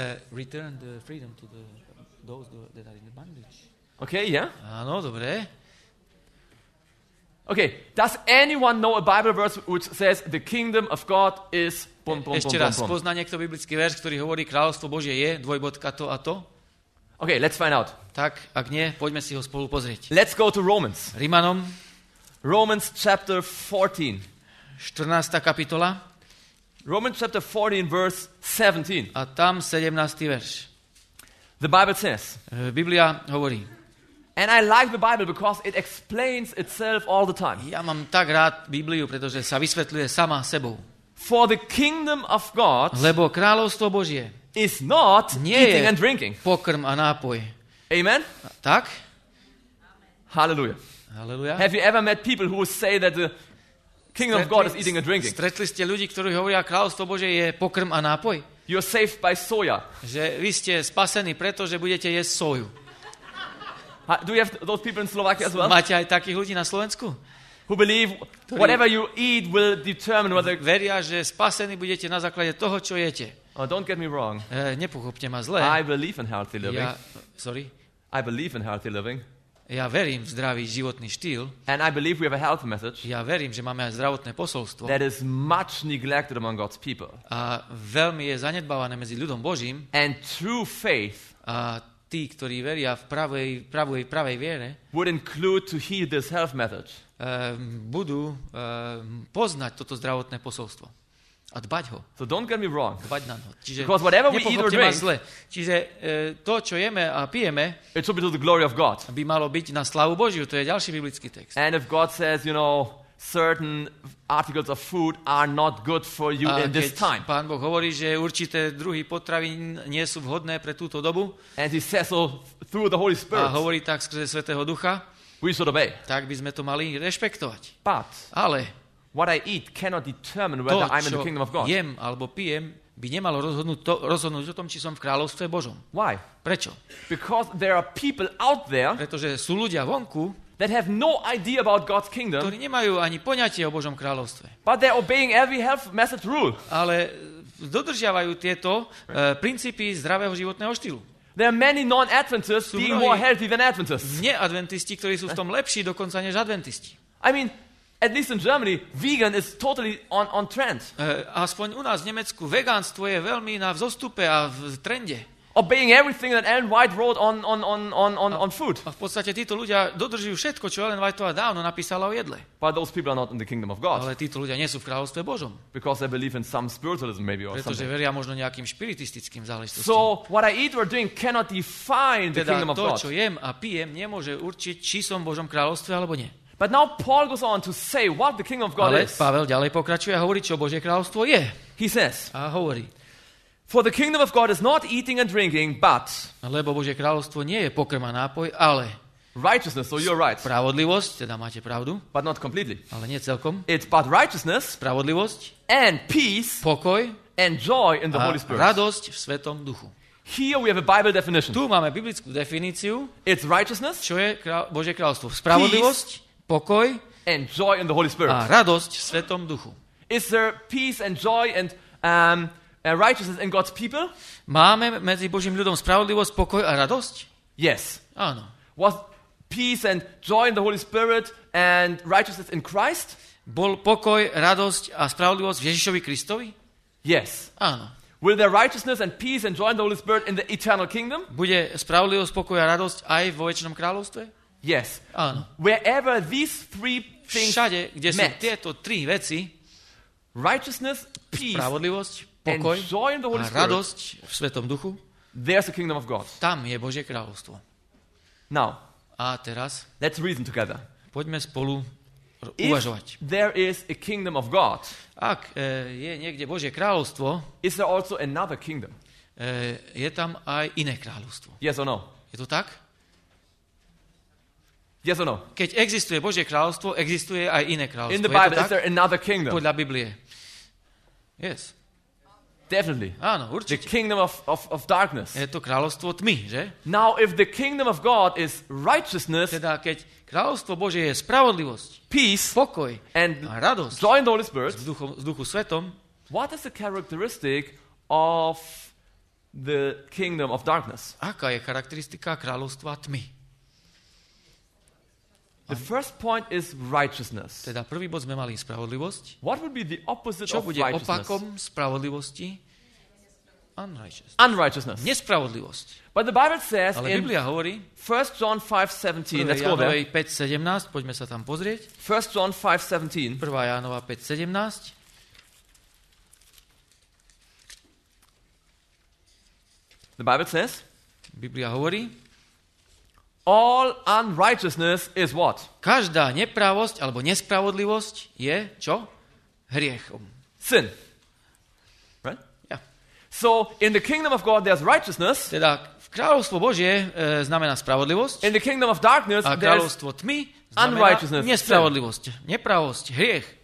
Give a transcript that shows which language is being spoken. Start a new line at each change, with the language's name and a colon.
English: Return the freedom to those that are in the bondage. Okay, yeah.
Slovak: Áno, dobre.
English: Okay, does anyone know a Bible verse which says the kingdom of God is...
Slovak: Ešte raz, pozná niekto biblický verš, ktorý hovorí, kráľovstvo Božie je / to a to?
English: Okay, let's find out.
Slovak: Tak, ak nie, poďme si ho spolu pozrieť.
English: Let's go to Romans.
Slovak: Rimanom.
English: Romans chapter 14.
Slovak: 14. kapitola.
English: Romans chapter 14 verse 17.
Slovak: A tam 17. verš.
English: The Bible says.
Slovak: Biblia hovorí.
English: And I like the Bible because it explains itself all the time.
Slovak: Ja mám tak rád Bibliu, pretože sa vysvetľuje sama sebou.
English: For the kingdom of God.
Slovak: Lebo kráľovstvo Božie.
English: Is not eating and drinking.
Slovak: Pokrm a nápoj. Amen. Tak? Hallelujah. Hallelujah.
English: Have you ever met people who say that the kingdom of God is eating and drinking?
Slovak: Stretli ste ľudí, ktorí hovoria, kráľovstvo Božie je pokrm a nápoj?
English: You're saved by soja.
Slovak: Že vy ste spasení, pretože budete jesť soju.
English: Do you have those people in Slovakia as well?
Slovak: Máte aj takých ľudí na Slovensku?
English: Who believe whatever you eat will determine whether...
Slovak: Veria, že spasení budete na základe toho, čo jete.
English: Oh, don't get me wrong.
Slovak: Nepochopte ma zle.
English: I believe in healthy living. I believe in healthy living.
Slovak: Ja verím v zdravý životný štýl.
English: And I believe we have a health message.
Slovak: Ja verím, že máme aj zdravotné posolstvo.
English: That is much neglected among God's people.
Slovak: A veľmi je zanedbávané medzi ľudom Božím.
English: And true faith.
Slovak: A tí, ktorí veria v pravej viere.
English: Would include to hear this health message.
Slovak: Budú poznať toto zdravotné posolstvo. A dbať ho.
English: So don't get me wrong.
Slovak: Dbať na ho. Čiže
English: because whatever we eat or drink,
Slovak: čiže to, čo jeme a pijeme, it should be to the glory of God. By malo byť na slavu Božiu. To je ďalší biblický text.
English: And if God says, you know, certain articles of food are not good for you in this time.
Slovak: Pán Boh hovorí, že určité druhy potravín nie sú vhodné pre túto dobu.
English: And he says so through the Holy Spirit.
Slovak: A hovorí tak skrze Svätého Ducha.
English: We should obey.
Slovak: Tak by sme to mali rešpektovať.
English: But.
Slovak: Ale.
English: What I eat cannot determine whether I'm in the kingdom of God.
Slovak: To, čo jem alebo pijem, by nemalo rozhodnúť o tom, či som v kráľovstve Božom.
English: Why?
Slovak: Prečo?
English: Because there are people out there,
Slovak: pretože sú ľudia vonku,
English: that have no idea about God's kingdom,
Slovak: ktorí nemajú ani poňatie o Božom kráľovstve.
English: But they're obeying every health message rule.
Slovak: Ale dodržiavajú tieto princípy zdravého životného štýlu.
English: There are many non-Adventists being more healthy than Adventists.
Slovak: Neadventisti, ktorí sú v tom lepší dokonca než adventisti.
English: I mean, at least in Germany, vegan is totally on trend.
Slovak: Aspoň u nás v Nemecku vegánstvo je veľmi na vzostupe a v trende.
English: Obeying everything that Ellen White wrote on food.
Slovak: A v podstate títo ľudia dodržujú všetko, čo Ellen White dávno napísala o jedle.
English: But those people are not in the kingdom of God.
Slovak: Ale títo ľudia nie sú v kráľovstve Božom.
English: Because they believe in some spiritualism maybe or
Slovak: pretože
English: something.
Slovak: Pretože veria možno nejakým špiritistickým záležitostiam.
English: So what I eat or drink cannot define
Slovak: teda
English: the kingdom of God.
Slovak: Teda to, čo jem a pijem, nemôže určiť, či som v Božom kráľovstve alebo nie.
English: But now Paul goes on to say what the kingdom of God is.
Slovak: Ale Pavel ďalej pokračuje a hovorí, čo Božie kráľovstvo je.
English: He says.
Slovak: A hovorí.
English: For the kingdom of God is not eating and drinking, but.
Slovak: Lebo Božie kráľovstvo nie je pokrm a nápoj, ale.
English: Righteousness, so you're right.
Slovak: Spravodlivosť, teda máte pravdu.
English: But not completely.
Slovak: Ale nie celkom.
English: It's but righteousness.
Slovak: Spravodlivosť.
English: And peace.
Slovak: Pokoj.
English: And joy in the Holy Spirit.
Slovak: A radosť v Svätom Duchu.
English: Here we have a Bible definition.
Slovak: Tu máme biblickú definíciu.
English: It's righteousness.
Slovak: Čo je Božie kráľovstvo? Spravodlivosť, pokoj
English: and joy in the Holy Spirit.
Slovak: A radosť v Svätom Duchu.
English: Is there peace and joy and righteousness in God's people?
Slovak: Máme medzi Božím ľudom spravodlivosť, pokoj a radosť?
English: Yes.
Slovak: Áno.
English: Was peace and joy in the Holy Spirit and righteousness in Christ?
Slovak: Bol pokoj, radosť a spravodlivosť v Ježišovi Kristovi?
English: Yes.
Slovak: Áno.
English: Will there righteousness and peace and joy in the Holy Spirit in the eternal kingdom?
Slovak: Bude spravodlivosť, pokoj a radosť aj vo večnom kráľovstve?
English: Yes.
Slovak: Áno.
English: Wherever these three things
Slovak: všade, kde sú tieto tri veci,
English: righteousness, peace,
Slovak: spravodlivosť, pokoj
English: and joy in the Holy Spirit,
Slovak: a radosť v Svätom Duchu,
English: there's the kingdom of God.
Slovak: Tam je Božie kráľovstvo.
English: Now,
Slovak: a teraz,
English: let's reason together.
Slovak: Poďme spolu uvažovať.
English: If there is a kingdom of God,
Slovak: ak je niekde Božie kráľovstvo,
English: is there also another kingdom?
Slovak: Je tam aj iné kráľovstvo.
English: Yes or no?
Slovak: Je to tak?
English: Yes or no?
Slovak: Keď existuje Božie kráľovstvo, existuje aj iné kráľovstvo.
English: In the Bible,
Slovak: tak?
English: Is there another kingdom?
Slovak: Podľa Biblie.
English: Yes. Definitely.
Slovak: Áno, určite.
English: The kingdom of darkness.
Slovak: Je to kráľovstvo tmy, že?
English: Now, if the kingdom of God is righteousness,
Slovak: teda keď kráľovstvo Božie je spravodlivosť,
English: peace,
Slovak: pokoj
English: and
Slovak: a radosť,
English: joy in the Holy Spirit,
Slovak: s duchu svetom,
English: what is the characteristic of the kingdom of darkness?
Slovak: Aká je charakteristika kráľovstva tmy?
English: The first point is righteousness.
Slovak: Teda prvý bod sme mali spravodlivosť.
English: What would be the opposite of righteousness?
Slovak: Čo bude opakom spravodlivosti?
English: Unrighteousness.
Slovak: Nespravodlivosť.
English: But the Bible says,
Slovak: ale Biblia hovorí,
English: 1 John 5:17. Let's go there.
Slovak: 5:17, poďme sa tam pozrieť.
English: 1 John 5:17.
Slovak: 1. Jánova 5:17.
English: The Bible says,
Slovak: Biblia hovorí,
English: all unrighteousness is what?
Slovak: Každá nepravosť alebo nespravodlivosť je čo? Hriechom.
English: Sin. Right? Yeah. So in the kingdom of God there's righteousness.
Slovak: Teda v kráľovstvo Božie znamená spravodlivosť.
English: In the kingdom of darkness there's
Slovak: kráľovstvo tmy
English: unrighteousness.
Slovak: Nespravodlivosť, nepravosť, hriech.